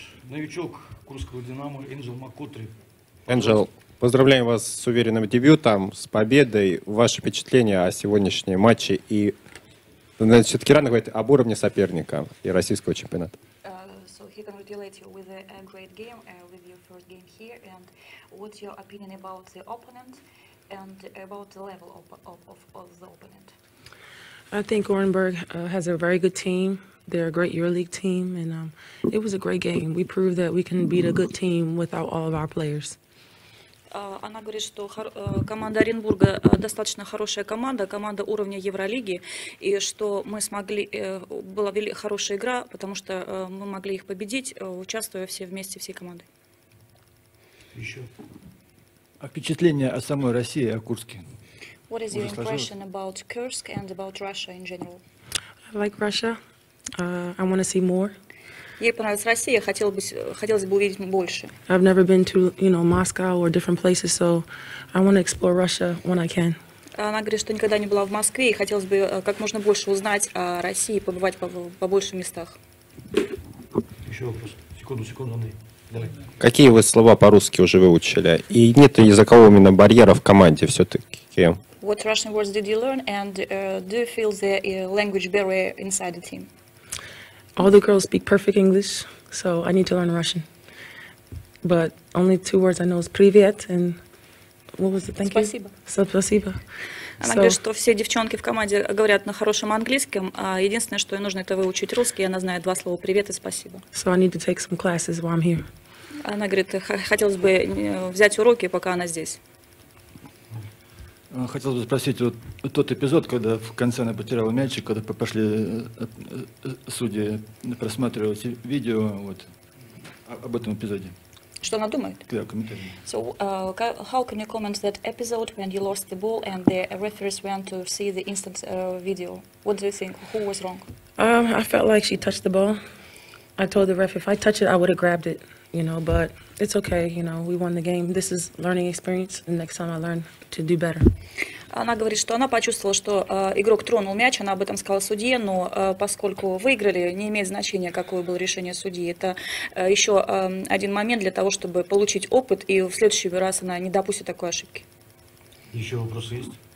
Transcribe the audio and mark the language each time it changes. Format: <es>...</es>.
<ru>Новичок Курского «Динамо» Энджел Маккутри. Энджел, поздравляем вас с уверенным дебютом, с победой. Ваши впечатления о сегодняшнем матче? И, наверное, все-таки рано говорить об уровне соперника и российского чемпионата.</ru> <en>So he congratulates you with a great game, with your first game here. And what's your opinion about the opponent and about the level of the opponent? I think Orenburg has a very good team. They're a great EuroLeague team, and it was a great game. We proved that we can beat a good team without all of our players.</en> <ru>Она говорит, что команда Оренбурга достаточно хорошая команда, команда уровня Евролиги, и что мы смогли, была хорошая игра, потому что мы могли их победить, участвуя все вместе, всей командой. Еще. А впечатление о самой России, о Курске?</ru> <en>What is your impression about Kursk and about Russia in general? I like Russia. I want to see more.</en> <ru>Ей понравилась Россия, хотелось бы увидеть больше.</ru> <en>I've never been to, you know, Moscow or different places, so I want to explore Russia when I can.</en> <ru>Она говорит, что никогда не была в Москве и хотелось бы как можно больше узнать о России, побывать по больше местах. Еще вопрос. Секунду, Андрей. Давай. Какие вы слова по-русски уже выучили? И нет ли из-за кого именно барьера в команде все-таки?</ru> <en>What Russian words did you learn and do you feel the language barrier inside the team? All the girls speak perfect English, so I need to learn Russian. But only two words I know is</en> <ru>привет</ru> <en>and what was it? Thank</en> <ru>спасибо.</ru> <en>You.</en> <ru>Спасибо. Она говорит, что все девчонки в команде говорят на хорошем английском, а единственное, что ей нужно, это выучить русский, и она знает два слова привет и спасибо.</ru> <en>So I need to take some classes while I'm here.</en> <ru>Она говорит, хотелось бы взять уроки, пока она здесь. Хотел бы спросить, вот тот эпизод, когда в конце она потеряла мячик, когда пошли судьи просматривать видео, вот, об этом эпизоде. Что она думает? Да, комментарий.</ru> <en>So, how can you comment that episode when you lost the ball and the referees went to see the instant video? What do you think? Who was wrong? I felt like she touched the ball. I told the ref, if I touch it, I would have grabbed it, you know, but it's okay, you know, we won the game. This is learning experience, and next time I learn to do better.</en> <ru>Она говорит, что она почувствовала, что игрок тронул мяч, она об этом сказала судье, но поскольку выиграли, не имеет значения, какое было решение судьи. Это еще один момент для того, чтобы получить опыт, и в следующий раз она не допустит такой ошибки. Еще вопросы есть?</ru>